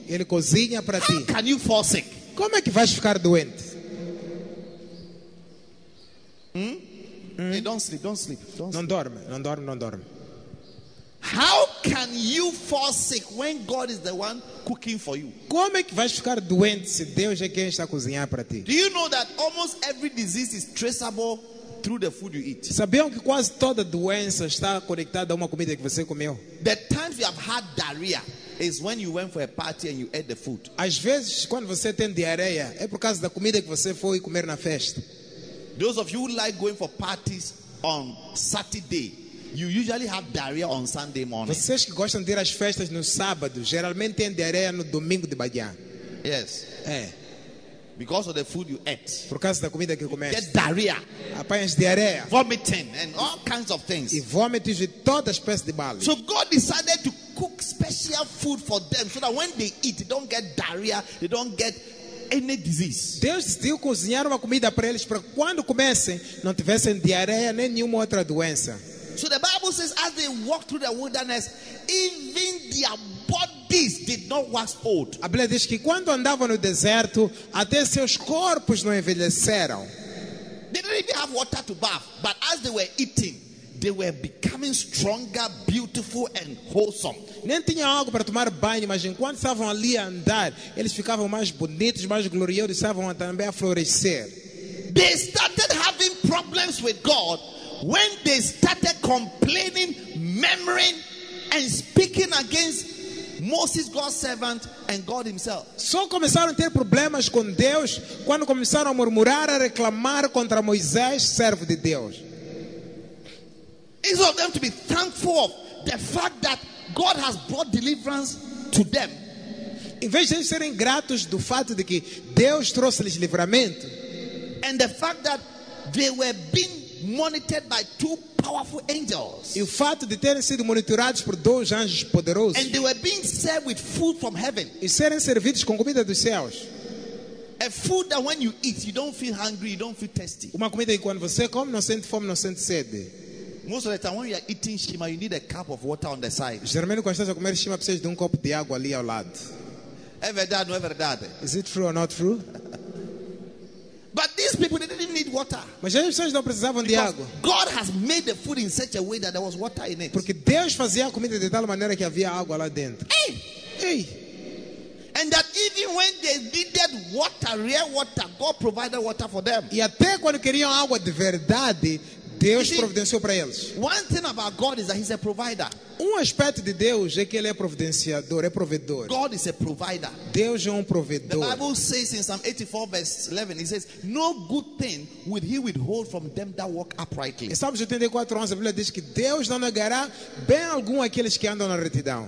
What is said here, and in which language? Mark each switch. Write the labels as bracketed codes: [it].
[pt] Ele cozinha para ti. [en] How can you fall sick? [pt] Como é que vais ficar doente? [en] Hey, don't sleep. [pt] Não dorme. [en] How can you fall sick when God is the one cooking for you? [pt] Como é que vais ficar doente se Deus é quem está a cozinhar para ti? [en] Do you know that almost every disease is traceable through the food you eat? [pt] Sabiam que quase toda doença está conectada a uma comida que você comeu? [en] The times you have had diarrhea is when you went for a party and you ate the food. [pt] Às vezes, quando você tem diarreia, é por causa da comida que você foi comer na festa. [en] Those of you who like going for parties on Saturday, you usually have diarrhea on Sunday morning. [pt] Vocês que gostam de ir às festas no sábado, geralmente têm diarreia no domingo de manhã. [en] Yes. [pt] É. [en] Because of the food you eat. [pt] Por causa da comida que comeste. [en] Get diarrhea. [pt] Apanhas diarreia. [en] Vomiting and all kinds of things. [pt] E vômitos e todas as espécies de bala. [en] So God decided to cook special food for them so that when they eat, they don't get diarrhea, they don't get any disease. [pt] Deus decidiu cozinhar uma comida para eles para quando comessem não tivessem diarreia nem nenhuma outra doença. [en] So the Bible says, as they walked through the wilderness, even their bodies did not wax old. [pt] A Bíblia diz que quando andavam no deserto, até seus corpos não envelheceram. [en] They didn't even have water to bath, but as they were eating, they were becoming stronger, beautiful, and wholesome. [pt] Nem tinham água para tomar banho, mas enquanto estavam ali a andar, eles ficavam mais bonitos, mais gloriosos, estavam também a florescer. [en] They started having problems with God when they started complaining, murmuring, and speaking against Moses, God's servant, and God himself. [pt] Só começaram a ter problemas com Deus quando começaram a murmurar, a reclamar contra Moisés, servo de Deus. [en] It's of them to be thankful of the fact that God has brought deliverance to them. [pt] Em vez de serem gratos do fato de que Deus trouxe-lhes livramento, [en] and the fact that they were being monitored by two powerful angels. [pt] E o fato de terem sido monitorados por dois anjos poderosos. [en] And they were being served with food from heaven. [pt] E serem servidos com comida dos céus. [en] A food that when you eat, you don't feel hungry, you don't feel thirsty. [pt] Uma comida que quando você come, não sente fome, não sente sede. [en] Most of the time when you are eating shima, you need a cup of water on the side. [pt] Geralmente quando estás a comer shima, precisas de copo de água ali ao lado. É verdade, não é verdade? [en] Is it true or not true? But these people, they didn't even need water. [pt] Mas as pessoas não precisavam de água. [en] God has made the food in such a way that there was water in it. [pt] Porque Deus fazia a comida de tal maneira que havia água lá dentro. [en] Hey. And that even when they needed water, real water, God provided water for them. [pt] E até quando queriam água de verdade, Deus providenciou para eles. [en] One thing about God is that he's a provider. [pt] Um aspecto de Deus é que ele é providenciador, é provedor. [en] God is a provider. [pt] Deus é provedor. [en] The Bible says in Psalm 84 verse 11, it says, no good thing will he withhold from them that walk uprightly. [pt] Em Salmos 84:11, a Bíblia diz que Deus não negará bem algum aqueles que andam na retidão.